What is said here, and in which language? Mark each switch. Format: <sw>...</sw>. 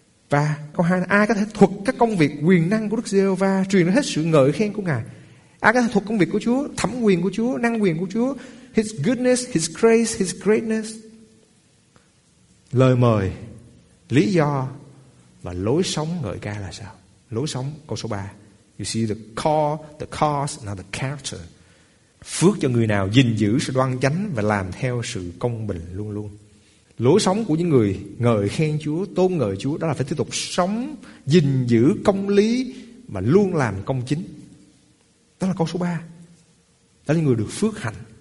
<vi>Và câu 2 là ai có thể thuật các công việc quyền năng của Đức Giê-hô-va, truyền hết sự ngợi khen của Ngài. Ai có thể thuật công việc của Chúa, thẩm quyền của Chúa, năng quyền của Chúa,</vi> <en>His goodness, His grace, His greatness.</en> <vi>lời mời, lý do và lối sống ngợi ca là sao? Lối sống, câu số 3.</vi> <en>You see the call, the cause, not the character.</en> <vi>Phước cho người nào gìn giữ sự đoan chánh và làm theo sự công bình luôn luôn. Lối sống của những người ngợi khen Chúa, tôn ngợi Chúa, đó là phải tiếp tục sống, gìn giữ công lý mà luôn làm công chính. Đó là câu số 3. Đó là những người được phước hạnh.</vi>